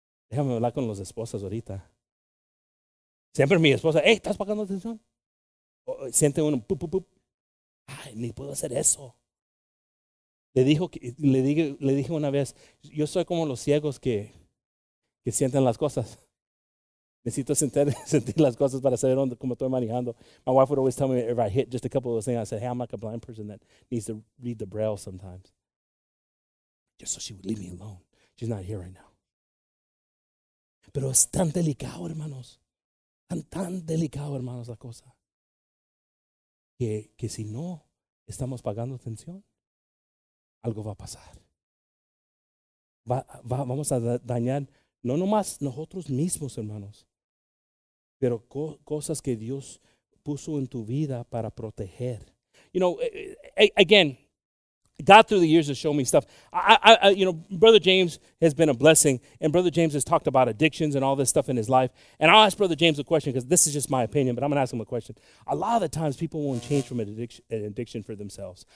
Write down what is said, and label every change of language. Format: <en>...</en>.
<es>Déjame hablar con las esposas ahorita. Siempre mi esposa, hey, ¿estás pagando atención? Siente uno, pup, pup, pup. Ay, ni puedo hacer eso. Le dije una vez, yo soy como los ciegos que sienten las cosas. Necesito sentir las cosas para saber cómo estoy manejando.</es> <en>My wife would always tell me if I hit just a couple of those things. I said, hey, I'm like a blind person that needs to read the braille sometimes. Just so she would leave me alone. She's not here right now.</en> <es>Pero es tan delicado, hermanos. Tan delicado, hermanos, la cosa. Que si no estamos pagando atención, algo va a pasar. Vamos a dañar, no nomás nosotros mismos, hermanos, pero cosas que Dios puso en tu vida para proteger.</es> <en>You know, again, God through the years has shown me stuff. I, Brother James has been a blessing, and Brother James has talked about addictions and all this stuff in his life. And I'll ask Brother James a question because this is just my opinion, but I'm going to ask him a question. A lot of the times people won't change from an addiction for themselves.</en>